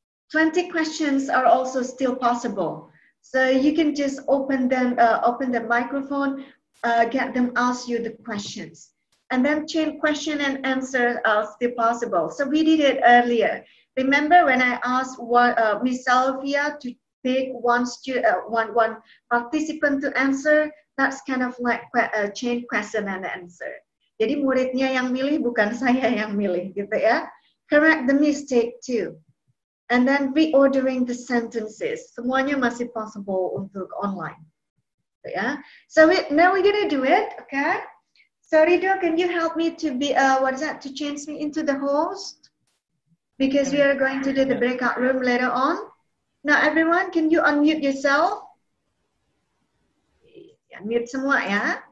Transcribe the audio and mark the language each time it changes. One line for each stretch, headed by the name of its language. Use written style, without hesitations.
English: 20 questions are also still possible. So you can just open the microphone, get them ask you the questions. And then chain question and answer are still possible. So we did it earlier. Remember when I asked Miss Salvia to pick one participant to answer? That's kind of like a chain question and answer.
Indonesian: Jadi muridnya yang milih, bukan saya yang milih, gitu ya.
English: Correct the mistake too. And then reordering the sentences.
Indonesian: Semuanya masih possible untuk online. Gitu ya.
English: So now we're gonna do it, okay? So Rido, can you help me to be, what is that, to change me into the host? Because we are going to do the breakout room later on. Now everyone, can you unmute yourself?
Indonesian: Unmute semua ya.